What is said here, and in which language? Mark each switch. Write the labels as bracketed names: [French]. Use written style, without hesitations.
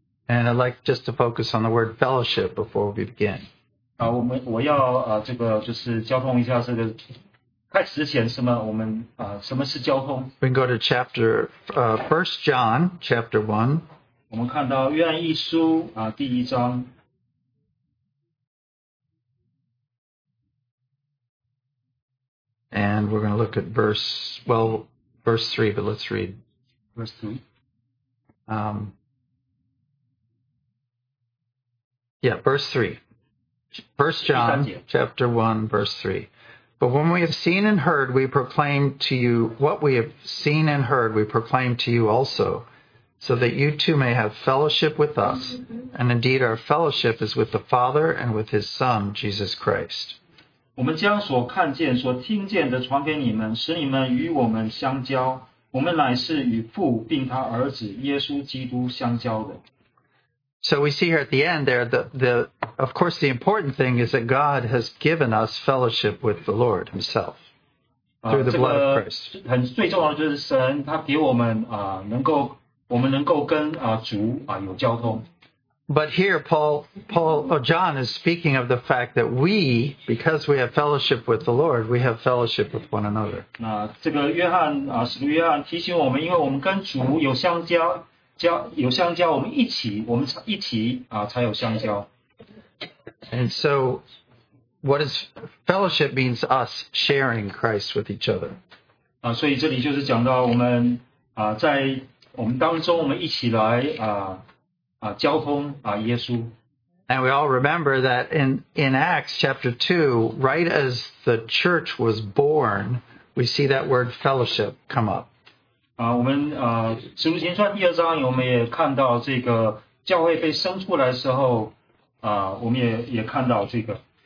[English] And I'd like just to focus on the word fellowship before we begin. [Chinese] 我要这个就是交通一下这个开始之前什么我们什么是交通。 [English] We can go to chapter, First John, chapter 1. [Chinese] 我们看到约翰一书第一章。 [English] And we're going to look at verse 3, but let's read. Verse 3. Yeah, verse 3. First John, chapter 1, verse 3. But when we have seen and heard, we proclaim to you what we have seen and heard, we proclaim to you also, so that you too may have fellowship with us. And indeed, our fellowship is with the Father and with his Son, Jesus Christ. [Chinese] 我们将所看见、所听见的传给你们，使你们与我们相交。我们乃是与父并他儿子耶稣基督相交的。 [English] So we see here at the end there, of course, the important thing is that God has given us fellowship with the Lord himself through the blood of Christ. [Chinese] 最重要的就是神他给我们我们能够跟主有交通。 [English] But here, John is speaking of the fact that we, because we have fellowship with the Lord, we have fellowship with one another. [Chinese] 这个约翰使徒约翰提醒我们，因为我们跟主有相交，我们一起，才有相交。 [English] And so, what is fellowship means us sharing Christ with each other. [Chinese] 所以这里就是讲到我们在我们当中，我们一起来交通耶稣。 [English] And we all remember that in Acts chapter 2, right as the church was born, we see that word fellowship come up. [Chinese] 我们使徒行传第二章，我们也看到这个教会被生出来的时候，我们也看到这个。